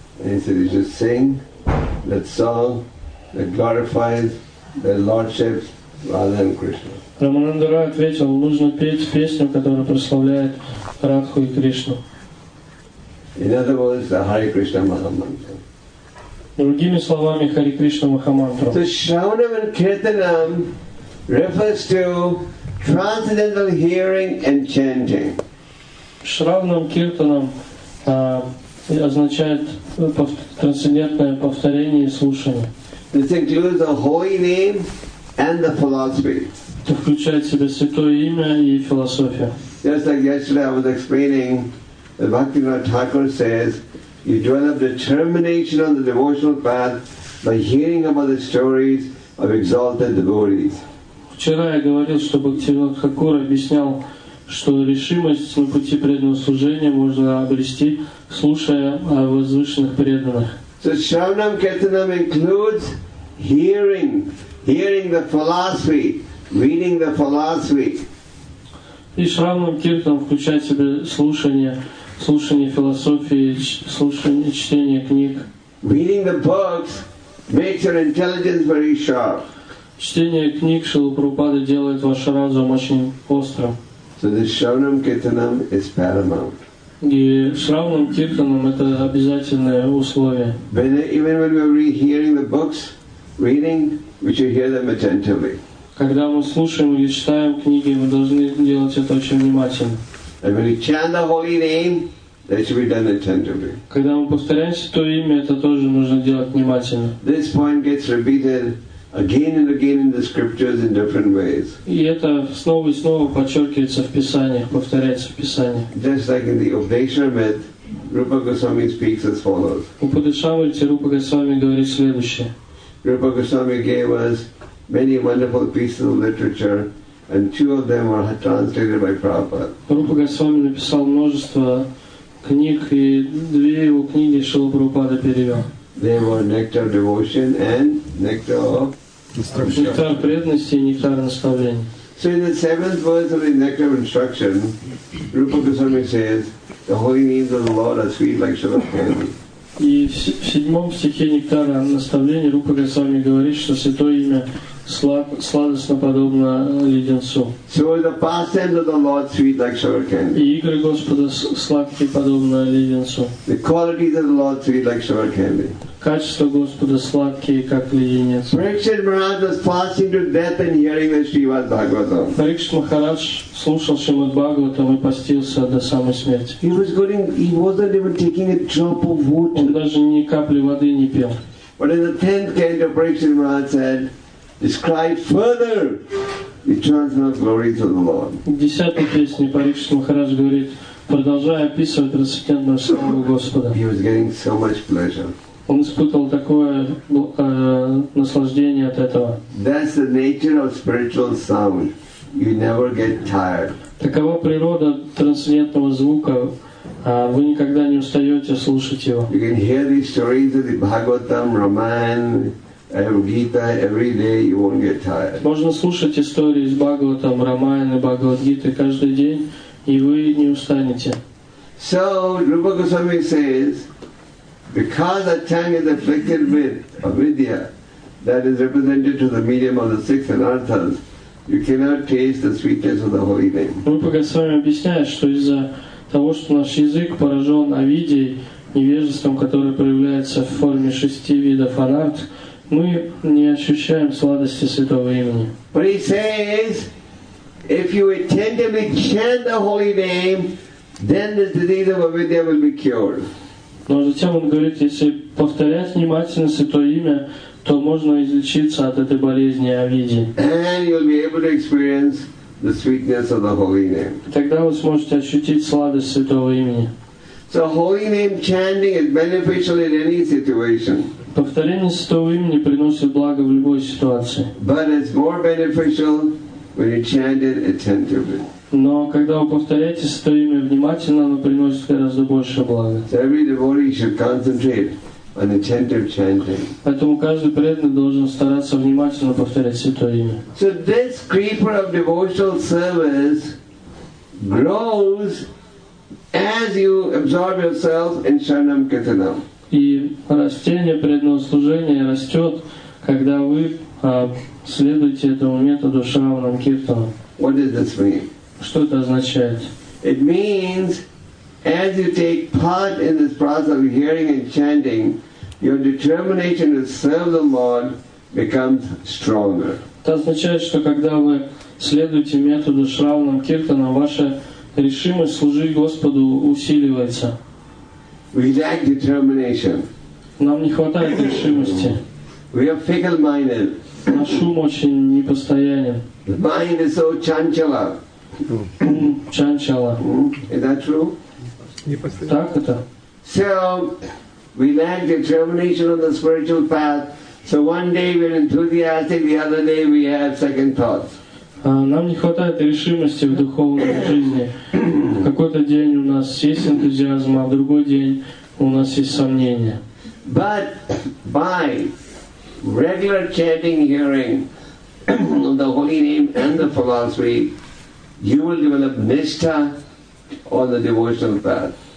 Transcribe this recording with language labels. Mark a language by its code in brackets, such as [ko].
[en] He said, you should sing that song that glorifies their lordships rather than Krishna. [ru] Рамананда Рае ответил, нужно петь песню, которая прославляет Радху и Кришну. [en] In other words, the Hare Krishna Mahamantra. [ru] Другими словами, Hare Krishna Mahamantra. [en] So Shravanam and Kirtanam refers to transcendental hearing and chanting. [ru] Шравнам Киртанам означает трансцендентное повторение и слушание. [en] This includes the holy name and the philosophy. [ru] Это включает в себя святое имя и философия. [en] Just like yesterday I was explaining, the Bhaktivinoda Thakur says, you develop determination on the devotional path by hearing about the stories of exalted devotees. [ru] Вчера я говорил, что Бхактивинод Хакур объяснял, что решимость на пути преданного служения можно обрести, слушая о возвышенных преданных. [en] So Shravanam Kirtanam includes hearing, hearing the philosophy, reading the philosophy. [ru] И Шравнам Киртанам включает в себя слушание, слушание философии, слушание, чтение книг. [en] Reading the books makes your intelligence very sharp. [ru] Чтение книг Шрилы Прабхупады делает ваш разум очень острым. [en] So this Shravanam Kirtanam is paramount. [ru] И Шравнам Киртанам это обязательное условие. [en] Even when we are hearing the books, reading, we should hear them attentively. [ru] Когда мы слушаем или читаем книги, мы должны делать это очень внимательно. [en] And when we chant the holy name, that should be done attentively. [ru] Когда мы повторяем святое имя, это тоже нужно делать внимательно. [en] This point gets repeated again and again in the scriptures in different ways. [ru] И это снова и снова подчеркивается в писаниях, повторяется в писаниях. [en] Just like in the Upadeshamrita, Rupa Goswami speaks as follows. [ru] Упадешамрите Рупа Госвами говорит следующее. [en] Rupa Goswami gave us many wonderful pieces of literature, and two of them were translated by Prabhupada. [ru] Rupa Goswami написал множество книг, и две его книги Шрила Прабхупада перевел. [en] They were Nectar of Devotion and Nectar of Instruction. [ru] Nectar преданности и Nectar наставления. [en] So in the seventh verse of the Nectar of Instruction, Rupa Goswami says, the holy names of the Lord are sweet like sugar candy. [ru] И в седьмом стихе Нектара наставления Рупа Госвами говорит, что святое имя сладостно подобно леденцу. [en] So the pastimes of the Lord sweet like sugar candy. [ru] И игры Господа сладкие подобно леденцу. [en] The qualities of the Lord sweet like sugar candy. [ru] Качества Господа сладкие как леденец. [en] Parikshit Maharaj was passing to death and hearing the Srimad Bhagavatam. [ru] Parikshit Maharaj слушал Шримад Бхагаватам и постился до самой смерти. [en] He was going. He wasn't even taking a drop of water. [ru] Он даже ни капли воды не пил. [en] But in the tenth canto, Parikshit Maharaj said, describe further Eternal glory to the Lord. [ru] В десятой песне Парикшит Махарадж говорит, продолжая описывать трансцендентную славу Господа. [en] He was getting so much pleasure. [ru] Он испытывал такое наслаждение от этого. [en] That's the nature of spiritual sound. You never get tired. [ru] Такова природа трансцендентного звука. Вы никогда не устаете слушать его. [en] You can hear these stories of the Bhagavatam, Ramayana, Гита, every day you won't get tired. [ru] Можно слушать истории из Бхагаватам, Рамаяны, Бхагавадгиты каждый день, и вы не устанете. [en] So Rupa Goswami says, because the tongue is afflicted with avidya, that is represented to the medium of the six anarthas, you cannot taste the sweetness of the holy name. [ru] Rupa Goswami объясняет, что из-за того, что наш язык поражен авидьей, невежеством, которое проявляется в форме шести видов анарт, мы не ощущаем сладости святого имени. [en] But he says, if you attentively chant the holy name, then the disease of avidya will be cured. [ru] Но затем он говорит, если повторять внимательно святое имя, то можно излечиться от этой болезни авидьи. [en] And you'll be able to experience the sweetness of the holy name. [ru] Тогда вы сможете ощутить сладость святого имени. [en] So holy name chanting is beneficial in any situation. [ru] Повторение святого имени приносит благо в любой ситуации. [en] But it's more beneficial when you chant it attentively. [ru] Но когда вы повторяете святое имя внимательно, оно приносит гораздо больше блага. [en] So every devotee should concentrate on attentive chanting. [ru] Поэтому каждый преданный должен стараться внимательно повторять святое имя. [en] So this creeper of devotional service grows as you absorb yourself in Sharanam Kirtanam. [ru] И растение преданного служения растет, когда вы следуете этому методу Шраванам Киртана. [en] What does this mean? [ru] Что это означает? [en] It means, as you take part in this process of hearing and chanting, your determination to serve the Lord becomes stronger. [ru] Это означает, что когда вы следуете методу Шраванам Киртана, ваша решимость служить Господу усиливается. [en] We lack determination. [ru] Нам не хватает решимости. [en] We are fickle-minded. [ru] Наш ум очень непостоянен. [en] The mind is so chanchala. [hi] Chanchala. [en] Is that true? [ru] Так это? [en] So, we lack determination on the spiritual path. So one day we're enthusiastic, the other day we have second thoughts. [ru] Нам не хватает решимости в духовной жизни. В какой-то день у нас есть энтузиазм, а в другой день у нас есть сомнения. [en] But by regular chanting, hearing of the holy name and the philosophy, you will develop nishtha on the devotional path.